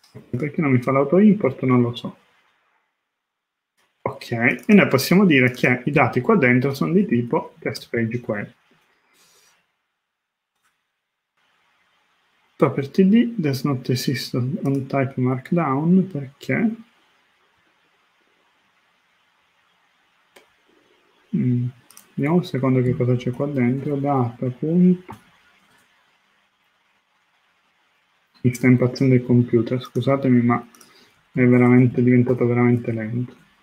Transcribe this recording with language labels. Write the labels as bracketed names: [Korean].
[Italian] Perché non mi fa l'auto-import? Non lo so. Ok, e noi possiamo dire che i dati qua dentro sono di tipo test page query. [English] Property D does not exist on type markdown, [Italian] perché? Vediamo un secondo che cosa c'è qua dentro. Data, punto. Mi sta impazzendo il computer, scusatemi, ma è veramente diventato veramente lento.